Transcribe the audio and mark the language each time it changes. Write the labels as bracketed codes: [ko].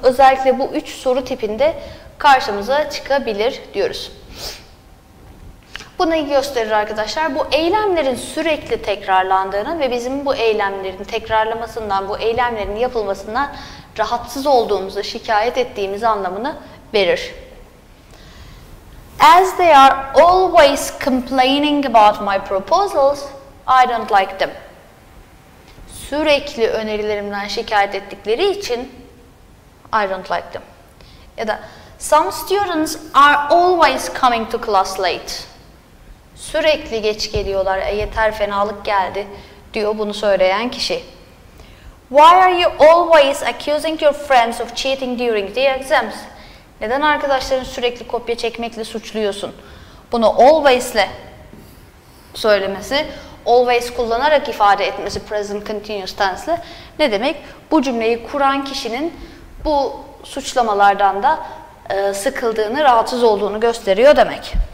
[tr] Özellikle bu üç soru tipinde karşımıza çıkabilir diyoruz. Bu neyi gösterir arkadaşlar? Bu eylemlerin sürekli tekrarlandığını ve bizim bu eylemlerin tekrarlamasından, bu eylemlerin yapılmasından rahatsız olduğumuzu, şikayet ettiğimiz anlamını verir. [en] As they are always complaining about my proposals, I don't like them. [tr] Sürekli önerilerimden şikayet ettikleri için [en] I don't like them. [tr] Ya da [en] some students are always coming to class late. [tr] Sürekli geç geliyorlar, yeter fenalık geldi diyor bunu söyleyen kişi. [en] Why are you always accusing your friends of cheating during the exams? [tr] Neden arkadaşların sürekli kopya çekmekle suçluyorsun? Bunu always'le söylemesi, always kullanarak ifade etmesi, present continuous tense'le ne demek? Bu cümleyi kuran kişinin bu suçlamalardan da sıkıldığını, rahatsız olduğunu gösteriyor demek.